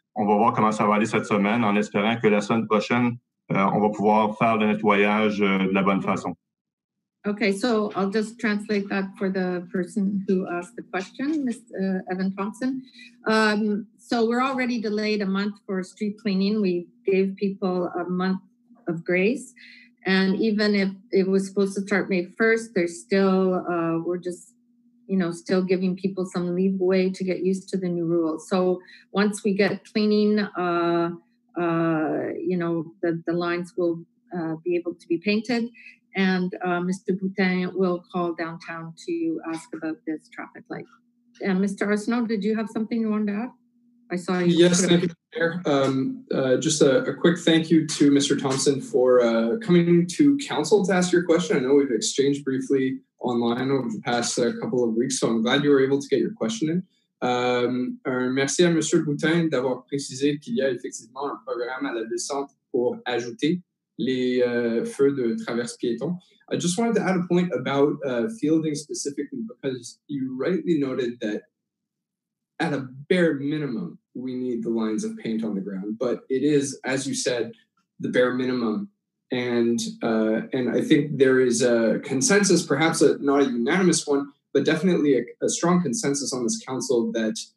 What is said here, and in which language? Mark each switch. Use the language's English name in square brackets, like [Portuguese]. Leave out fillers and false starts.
[French] On va voir comment ça va aller cette semaine en espérant que la semaine prochaine, on va pouvoir faire le nettoyage de la bonne façon. [English] OK, so I'll just translate that for the person who asked the question, Ms. Evan Thompson. So we're already delayed a month for street cleaning. We gave people a month of grace. And even if it was supposed to start May 1st, there's still, we're just, you know, still giving people some leeway to get used to the new rules. So once we get cleaning, you know, the lines will be able to be painted. And Mr. Boutin will call downtown to ask about this traffic light. And Mr. Arsenault, did you have something you wanted to add? I saw you. Yes, thank you, Mayor. Just a quick thank you to Mr. Thompson for coming to council to ask your question. I know we've exchanged briefly online over the past couple of weeks, so I'm glad you were able to get your question in. [French] Merci à Monsieur Boutin d'avoir précisé qu'il y a effectivement un programme à la descente pour ajouter les feux de traverse piéton. [English] I just wanted to add a point about fielding specifically, because you rightly noted that at a bare minimum, we need the lines of paint on the ground, but it is, as you said, the bare minimum. And I think there is a consensus, perhaps not a unanimous one, but definitely a strong consensus on this council that